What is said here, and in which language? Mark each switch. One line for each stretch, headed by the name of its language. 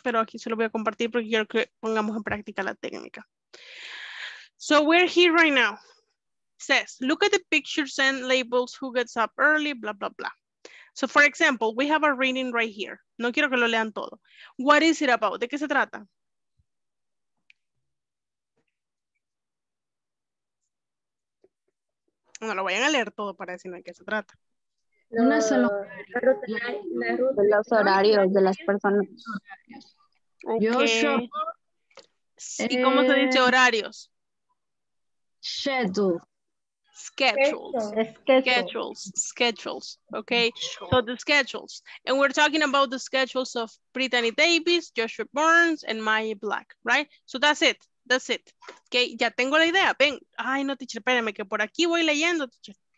Spanish: Pero aquí se lo voy a compartir porque quiero que pongamos en práctica la técnica.
English: So we're here right now. It says, look at the pictures and labels who gets up early, blah, blah, blah. So for example, we have a reading right here.
Spanish: No quiero que lo lean todo.
English: What is it about?
Spanish: ¿De qué se trata? No lo vayan a leer todo para decirme de qué se trata. No es solo los horarios de las personas. Okay. ¿Y cómo se dice horarios?
English: Schedules. Okay. So the schedules. And we're talking about the schedules of Brittany Davis, Joshua Burns, and Maya Black, right? So that's it.
Spanish: Okay. Ya tengo la idea. Ven. Ay, no, teacher, espérame, que por aquí voy leyendo, teacher.